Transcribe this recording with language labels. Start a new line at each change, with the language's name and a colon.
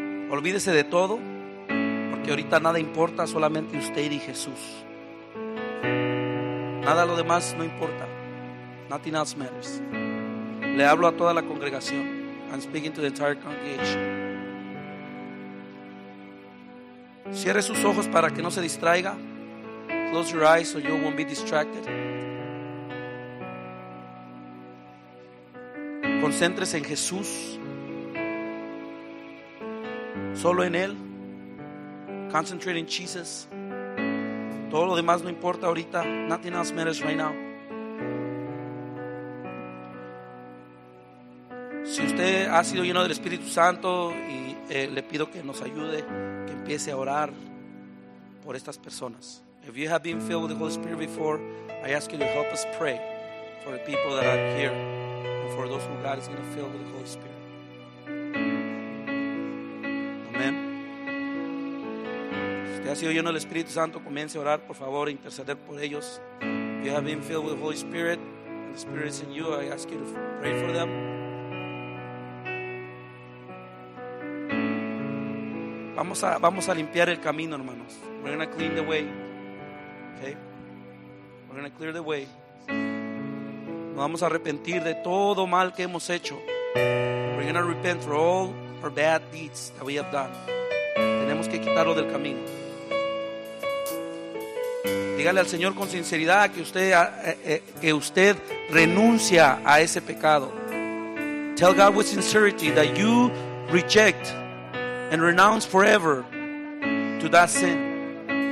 Spanish: Olvídese de todo, porque ahorita nada importa, solamente usted y Jesús. Nada lo demás no importa.
English: Nothing else matters.
Spanish: Le hablo a toda la congregación.
English: I'm speaking to the entire congregation.
Spanish: Cierre sus ojos para que no se distraiga.
English: Close your eyes so you won't be distracted.
Spanish: Concéntrese en Jesús. Solo en Él.
English: Concentrate in Jesus.
Spanish: Todo lo demás no importa ahorita.
English: Nothing else matters right now.
Spanish: Si usted ha sido lleno del Espíritu Santo, y le pido que nos ayude, que empiece a orar por estas personas.
English: If you have been filled with the Holy Spirit before, I ask you to help us pray for the people that are here and for those who God is going to fill with the Holy Spirit. Amen.
Spanish: Si usted ha sido lleno del Espíritu Santo, comience a orar, por favor, interceder por ellos.
English: If you have been filled with the Holy Spirit and the Spirit is in you, I ask you to pray for them.
Spanish: Vamos a limpiar el camino, hermanos.
English: We're going to clean the way. Okay, we're going to clear the way.
Spanish: Nos vamos a arrepentir de todo mal que hemos hecho.
English: We're going to repent for all our bad deeds that we have done.
Spanish: Tenemos que quitarlo del camino. Dígale al Señor con sinceridad que usted renuncia a ese pecado.
English: Tell God with sincerity that you reject and renounce forever to that sin.